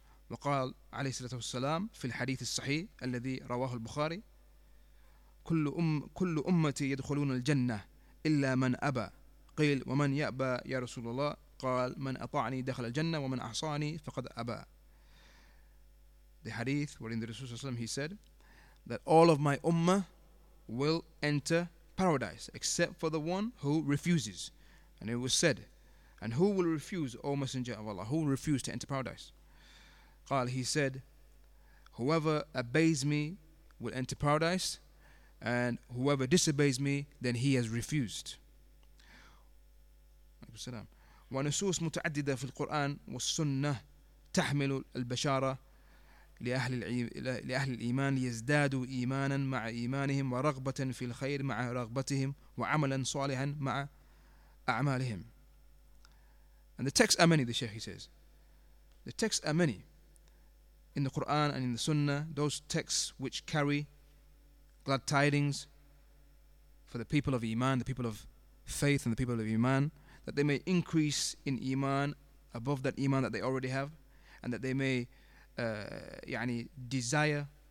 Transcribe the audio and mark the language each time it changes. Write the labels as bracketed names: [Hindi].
[Arabic] وقال عليه الصلاة والسلام في الحديث الصحيح الذي رواه البخاري كل أمتي يدخلون الجنة إلا من أبى, قيل ومن يأبى يا رسول الله, قال من أطاعني دخل الجنة ومن أعصاني فقد أبى. [English] The hadith wherein the Rasul sallam, he said that all of my ummah will enter paradise except for the one who refuses. And it was said, and who will refuse, O Messenger of Allah, who will refuse to enter paradise? [Arabic] قال, [English] he said, whoever obeys me will enter paradise, and whoever disobeys me, then he has refused. [Arabic] والسلام. ونصوص متعددة في القرآن والسنة تحمل البشارة لأهل الإيمان ليزدادوا إيمانا مع إيمانهم ورغبة في الخير مع رغبتهم وعملا صالحا مع أعمالهم. [English] And the texts are many, the Sheikh, he says. The texts are many in the Quran and in the Sunnah, those texts which carry glad tidings for the people of Iman, the people of faith and the people of Iman, that they may increase in Iman above that Iman that they already have, and that they may desire,